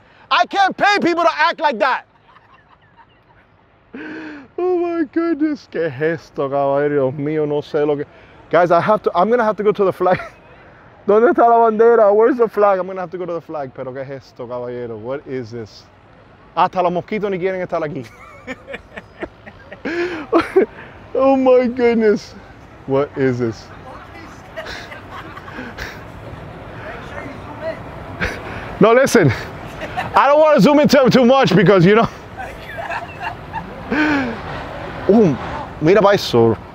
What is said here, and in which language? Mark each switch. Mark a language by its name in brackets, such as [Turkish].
[English] I can't pay people to act like that. Oh my goodness, [Spanish] que gesto, caballero, Dios mío, no sé lo que... [English] Guys, I'm going to have to go to the flag. [Spanish] ¿Dónde está la bandera? [English] Where's the flag? I'm going to have to go to the flag. [Spanish] Pero que gesto, caballero, [English] what is this? [Spanish] Hasta los mosquitos ni quieren estar aquí. [English] Oh my goodness, what is this? No, listen, I don't want to zoom into too much because, you know... [Spanish] Ooh, mira pa' eso.